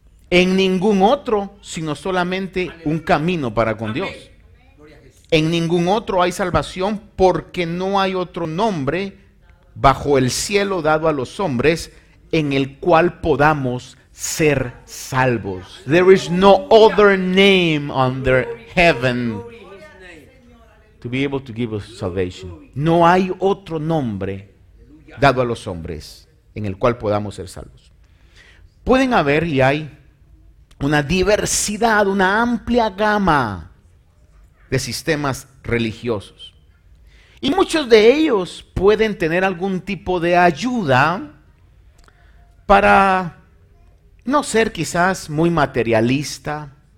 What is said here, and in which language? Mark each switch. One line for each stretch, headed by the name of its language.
Spanish: En ningún otro, sino solamente un camino para con Dios. En ningún otro hay salvación porque no hay otro nombre bajo el cielo dado a los hombres en el cual podamos ser salvos.
English: There is no other name under heaven to be able to give us salvation.
Spanish: No hay otro nombre dado a los hombres en el cual podamos ser salvos. Pueden haber y hay una diversidad, una amplia gama de sistemas religiosos. Y muchos de ellos pueden tener algún tipo de ayuda para no ser quizás muy materialista.